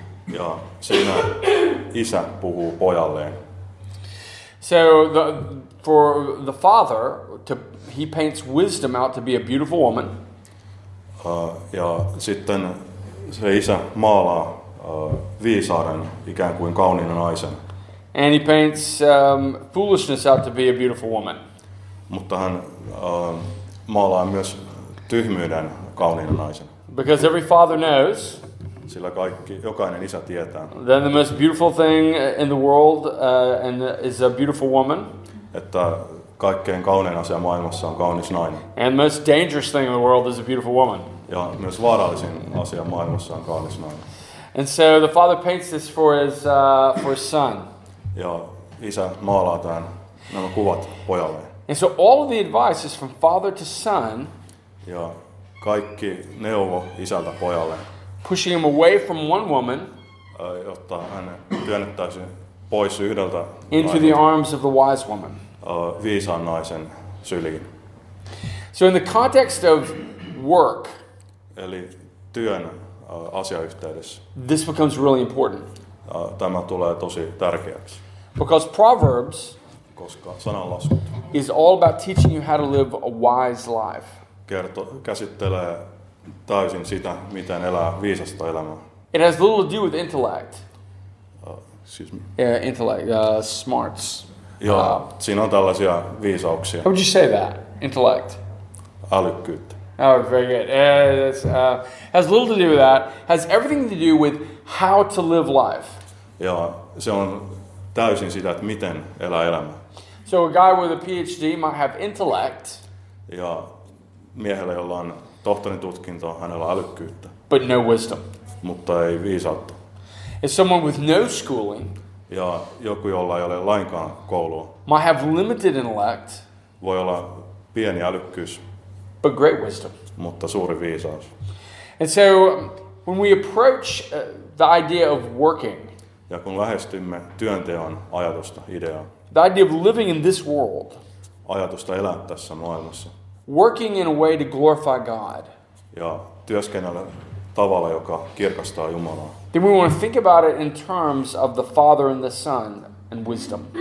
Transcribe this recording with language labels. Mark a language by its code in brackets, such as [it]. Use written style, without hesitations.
[fi] Ja siinä isä puhuu pojalleen. [en] So for the father, he paints wisdom out to be a beautiful woman. [fi] Ja sitten se isä maalaa viisauden ikään kuin kauniina naisen. [en] And he paints foolishness out to be a beautiful woman. [fi] Mutta hän maalaa myös tyhmyyden kauniina naisen. [en] Because every father knows. [fi] Sillä kaikki, jokainen isä tietää. [en] Then the most beautiful thing in the world and is a beautiful woman. [fi] Että kaikkein kaunein asia maailmassa on kaunis nainen. [en] And the most dangerous thing in the world is a beautiful woman. [fi] Ja myös vaarallisin asia maailmassa on kaunis nainen. [en] And so the father paints this for his son. [fi] Ja isä maalaa tämän nämä kuvat pojalle. [en] And so all of the advice is from father to son. [fi] Ja kaikki neuvo isältä pojalle. [en] pushing him away from one woman, [fi] jotta hän työnnettäisi pois yhdeltä [en] into the arms of the wise woman, [fi] viisaan naisen syliin. [en] So in the context of work, [fi] eli työn asiayhteydessä, [en] this becomes really important. [fi] Tämä tulee tosi tärkeäksi. [en] Because Proverbs, [fi] koska sananlaskut, [en] is all about teaching you how to live a wise life. [fi] Käsittelee täysin sitä, miten elää viisasta elämää. [en] It has little to do with intellect. Excuse me. Yeah, intellect, smarts. [fi] Joo, siinä on tällaisia viisauksia. [en] How would you say that? Intellect. [fi] Älykkyyttä. [en] Oh, very good. Has little to do with that. Has everything to do with how to live life. [fi] Joo, se on täysin sitä, että miten elää elämää. [en] So a guy with a PhD might have intellect. [fi] Joo, miehellä, jolla on tohtorin tutkinto, hänellä on älykkyyttä. [en] But no wisdom. [fi] Mutta ei viisautta. [en] If someone with no schooling, [fi] ja joku, jolla ei ole lainkaan koulua, [en] might have limited intellect, [fi] voi olla pieni älykkyys, [en] but great wisdom, [fi] mutta suuri viisaus. [en] And so when we approach the idea of working, [fi] ja kun lähestymme työnteon ajatusta, ideaa, [en] the idea of living in this world, [fi] ajatusta elää tässä maailmassa, [en] working in a way to glorify God, [fi] ja työskennellä tavalla, joka kirkastaa Jumalaa, [en] then we want to think about it in terms of the Father and the Son and wisdom.